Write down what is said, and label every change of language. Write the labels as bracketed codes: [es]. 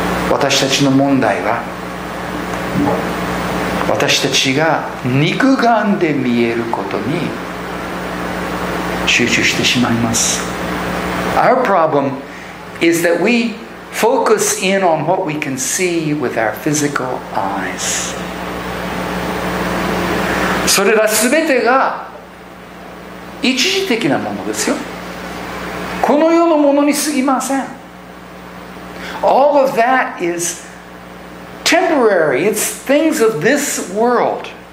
[ja] 私たちの問題は、私たちが肉眼で見えることに集中してしまいます。 [en] Our problem is that we focus in on what we can see with our physical eyes. [ja] それら全てが一時的なものですよ。この世のものに過ぎません。 [en] All of that is temporary. It's things of this world.